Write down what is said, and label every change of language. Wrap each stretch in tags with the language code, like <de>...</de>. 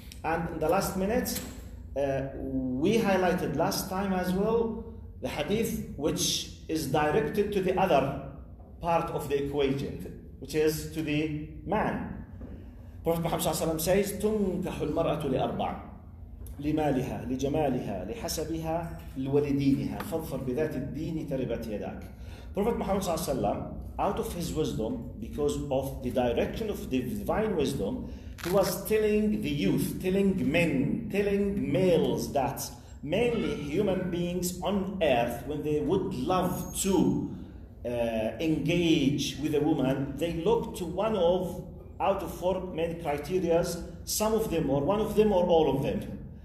<en>And in the last minute, we highlighted last time as well the hadith which is directed to the other part of the equation, which is to the man. Prophet Muhammad says,</en> <ar>تُنْكَحُ الْمَرْأَةُ لِأَرْبَعٍ. لمالها لجمالها لحسبها ولدينها فاظفر بذات الدين تربت يداك.</ar> <en>Prophet Muhammad</en> <ar>صلى الله عليه وسلم,</ar> <en>out of his wisdom, because of the direction of the divine wisdom, he was telling the youth, telling men, telling males that mainly human beings on earth, when they would love to engage with a woman, they look to one of, out of four main criterias, some of them, or one of them, or all of them.</en>